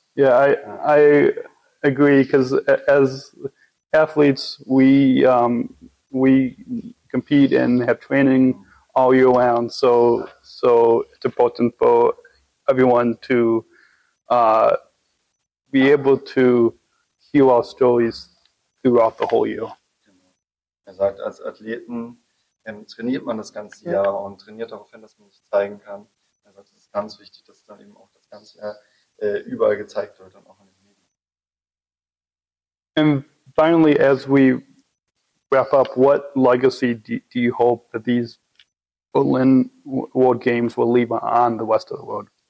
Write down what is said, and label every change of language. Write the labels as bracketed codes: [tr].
[en] Yeah, I agree, because as athletes, we compete and have training all year round, so it's important for everyone to be able to hear our stories throughout the whole year. [de] Er sagt, als Athleten trainiert man das ganze Jahr und trainiert darauf hin, dass man sich zeigen kann. Er sagt, es ist ganz wichtig, dass dann eben auch das ganze Jahr überall gezeigt wird und auch in den Medien. [en] And finally, as we wrap up, what legacy do you hope that these Berlin World Games will leave on the rest of the world?